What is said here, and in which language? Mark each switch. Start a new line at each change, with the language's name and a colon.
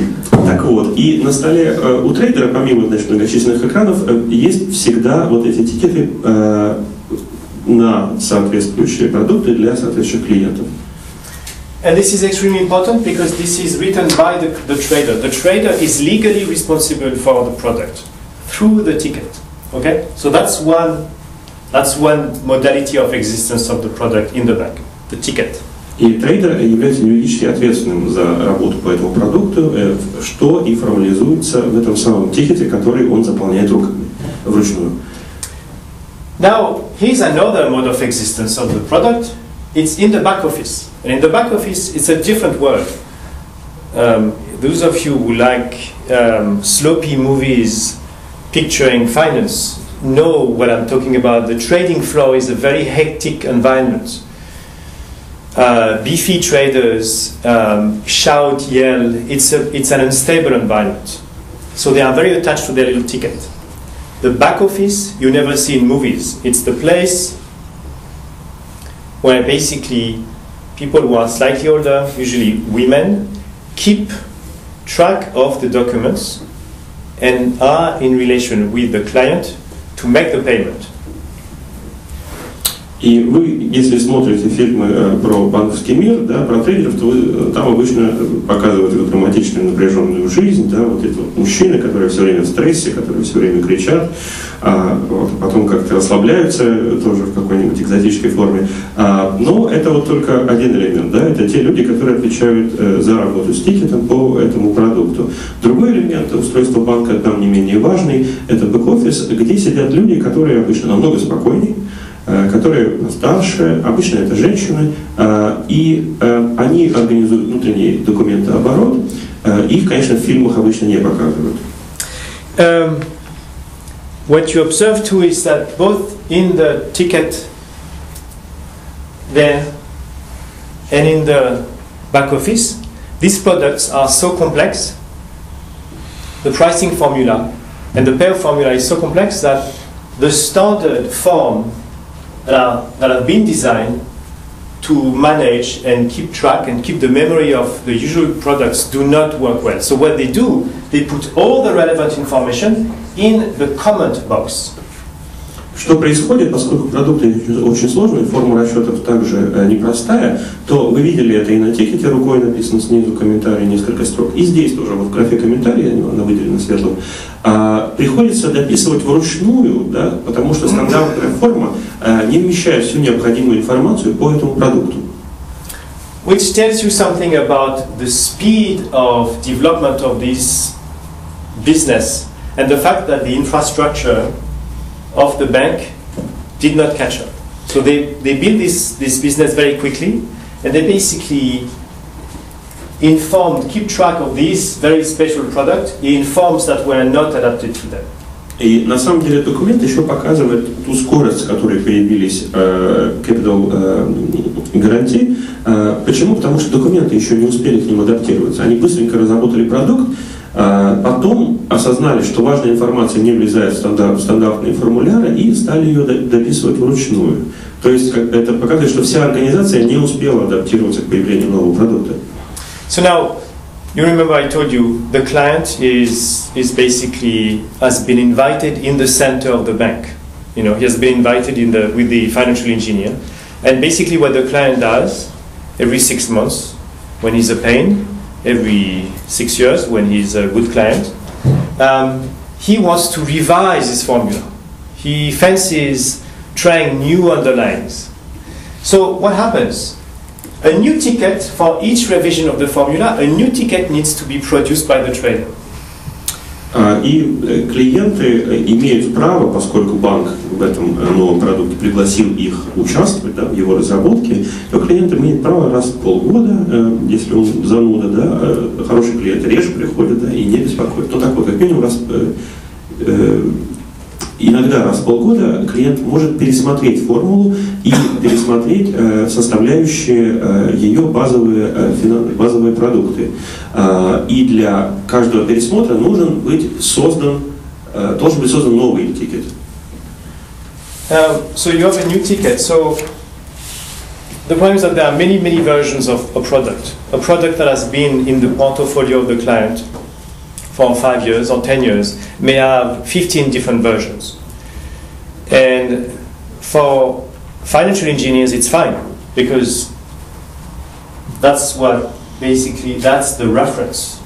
Russian: Так вот, и на столе у трейдера, помимо, значит, многочисленных экранов, есть всегда вот эти тикеты на соответствующие продукты для соответствующих клиентов.
English: And this is extremely important because this is written by the trader. The trader is legally responsible for the product through the ticket. Okay? So that's one modality of existence of the product in the bank, the ticket.
Russian: И трейдер является юридически ответственным за работу по этому продукту, что и формализуется в этом самом тикете, который он заполняет руками, вручную.
English: Now, here's another mode of existence of the product. It's in the back office. And in the back office, it's a different world. Those of you who like sloppy movies picturing finance know what I'm talking about. The trading floor is a very hectic environment. Beefy traders shout, yell. It's an unstable environment. So they are very attached to their little ticket. The back office, you never see in movies. It's the place where basically people who are slightly older, usually women, keep track of the documents and are in relation with the client to make the payment.
Russian: И вы, если смотрите фильмы про банковский мир, да, про трейдеров, то вы, там обычно показывают эту драматичную напряженную жизнь, да, вот эти вот мужчины, которые все время в стрессе, которые все время кричат, вот, потом как-то расслабляются тоже в какой-нибудь экзотической форме. Но это вот только один элемент, да, это те люди, которые отвечают за работу с тикетом по этому продукту. Другой элемент устройства банка там не менее важный, это бэк-офис, где сидят люди, которые обычно намного спокойнее, которые старше, обычно это женщины, и они организуют внутренний документооборот, Их, конечно, в фильмах обычно не показывают.
English: What you observe too is that both in the ticket there and in the back office, these products are so complex, the pricing formula and the pair formula is so complex that the standard form that have been designed to manage and keep track and keep the memory of the usual products do not work well. So what they do, they put all the relevant information in the comment box.
Russian: Что происходит, поскольку продукты очень сложные, форма расчетов также непростая, то вы видели это и на тикете, рукой написано снизу комментарий, несколько строк. И здесь тоже, вот в графе комментарии, она выделена светлым, приходится дописывать вручную, да, потому что стандартная форма не вмещает всю необходимую информацию по этому продукту.
English: Which tells you something about the speed of development of this business and the fact that the infrastructure of the bank did not catch up. So they built this business very quickly, and they basically informed, keep track of this very special product in forms that were not adapted to them.
Russian: И на самом деле документ еще показывает ту скорость, с которой появились capital гарантии. Почему? Потому что документы еще не успели к ним адаптироваться. Они быстренько разработали продукт, потом осознали, что важная информация не влезает в стандартные формуляры и стали ее дописывать вручную. То есть это показывает, что вся организация не успела адаптироваться к появлению нового продукта.
English: So now, you remember I told you, the client is basically has been invited in the center of the bank. You know, he has been invited in the with the financial engineer. And basically what the client does every 6 months when he's a pain, every 6 years when he's a good client, he wants to revise his formula. He fancies trying new underlines. So what happens? A new ticket for each revision of the formula, a new ticket needs to be produced by the trader.
Russian: И клиенты имеют право, поскольку банк в этом новом продукте пригласил их участвовать, да, в его разработке, то клиент имеет право раз в полгода, если он зануда, да, хороший клиент реже приходит, да, и не беспокоит. Но так вот, как минимум раз, иногда раз в полгода клиент может пересмотреть формулу и пересмотреть составляющие ее базовые продукты. И для каждого пересмотра нужен быть создан, должен быть создан новый тикет.
English: So you have a new ticket. So the problem is that there are many, many versions of a product. A product that has been in the portfolio of the client for 5 years or 10 years may have 15 different versions. And for financial engineers, it's fine because that's what basically that's the reference.